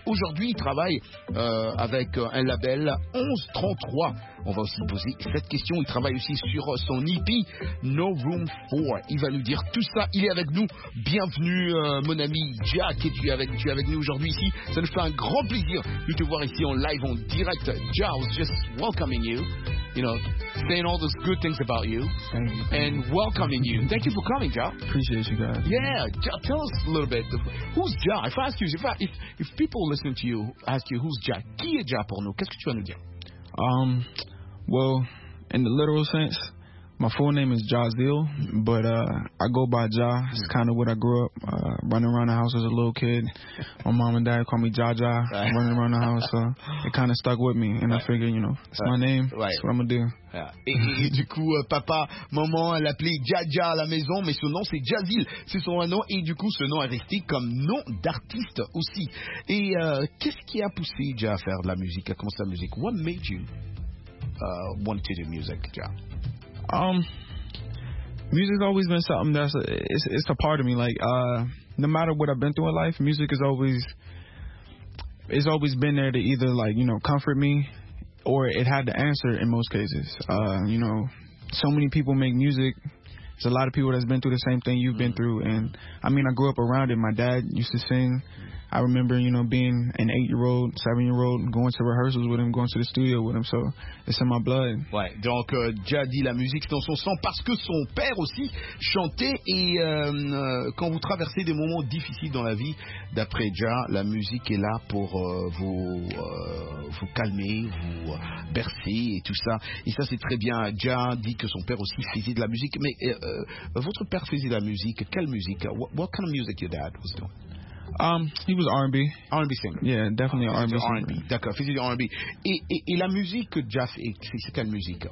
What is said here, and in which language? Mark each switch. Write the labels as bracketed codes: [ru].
[fr] Aujourd'hui, il travaille avec un label 1133. On va aussi poser cette question. Il travaille aussi sur son EP No Room 4. Il va nous dire tout ça. Il est avec nous. Bienvenue, mon ami Jack. Et tu es avec nous aujourd'hui ici. Ça nous fait un grand plaisir de te voir ici en live, en direct. [en] Jack, I was just welcoming you. You know, saying all those good things about you. Thank you. And welcoming you. Thank you for coming, Jack. Appreciate you guys. Yeah. Jack, tell us a little bit. Who's Jack? If I ask you, if people listen to you, ask you, who's Jack? [fr] Qui est Jack pour nous? Qu'est-ce que tu vas nous dire? [en] Well, in the literal sense, my full name is Jazdeel, but I go by Ja. It's kind of what I grew up running around the house as a little kid. My mom and dad call me Jaja, right. Running around the house. So it kind of stuck with me, and right. I figured, you know, it's right. My name. Right. That's what I'm going to do. Yeah. [fr] Et du coup, papa, maman, elle l'appelait Jaja à la maison, mais son nom, c'est Jazdeel. C'est son nom, et du coup, ce nom est resté comme nom d'artiste aussi. Et qu'est-ce qui a poussé Ja à faire de la musique, à commencer la musique? [en] What made you want to do music, Ja? Music's always been something that's it's a part of me. Like, no matter what I've been through in life, music is always, it's always been there to either, like, you know, comfort me, or it had the answer in most cases. You know, so many people make music. It's a lot of people that's been through the same thing you've been through. And I mean, I grew up around it. My dad used to sing. I remember, you know, being an 8-year-old, 7-year-old, going to rehearsals with him, going to the studio with him, so it's in my blood. [fr] Ouais, donc, Jaddy, la musique, c'est dans son sang, parce que son père aussi chantait, et quand vous traversez des moments difficiles dans la vie, d'après Ja, la musique est là pour vous calmer, vous bercer, et tout ça, et ça, c'est très bien. Ja dit que son père aussi faisait de la musique, mais votre père faisait de la musique, quelle musique? [en] What kind of music your dad was doing? He was R&B. R&B singer. Yeah, definitely R&B singer. [fr] R&B. D'accord, faisait R&B. Et la musique que Jeff écrit, c'est quelle musique?